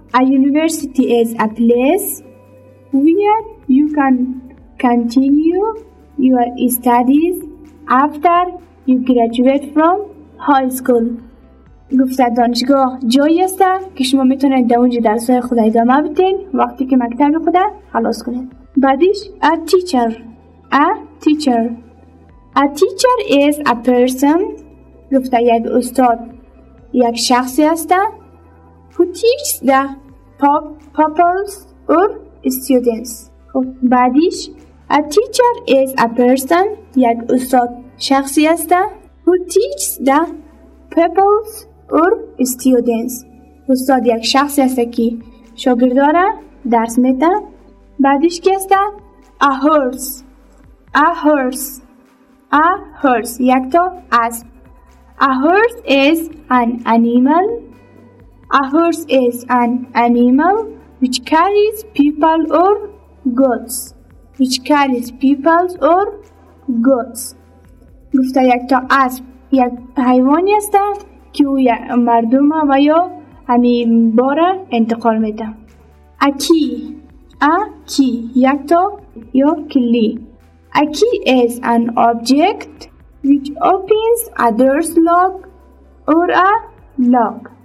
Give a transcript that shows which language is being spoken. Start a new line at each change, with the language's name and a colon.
English: A university is a place where you can continue your studies after you graduate from high school.
Persian: گفته دانشگاه جایی است که شما میتونید در اونجا درس‌های خود ادامه بدین وقتی که مکتب خود خلاص کنید.
English: بعدیش a teacher. A teacher. A teacher is a person.
Persian: گفته یک استاد یک شخصی است
English: who teaches the pupils or students. بعدیش a teacher is a person.
Persian: یک استاد شخصی است
English: who teaches the pupils or students.
Persian: استاد یک شخصی است که شاگردان درس میده. بعدش که است؟
English: A horse. A horse. A horse.
Persian: یک تا اسب.
English: A horse is an animal. A horse is an animal which carries people or goods. Which carries people or goods.
Persian: گفته یک تا اسب یک حیوانی است که او مردم و یا همین بار انتقال میده.
English: A key. A key.
Persian: یک تا یا کلی.
English: A key is an object which opens a door's lock or a lock.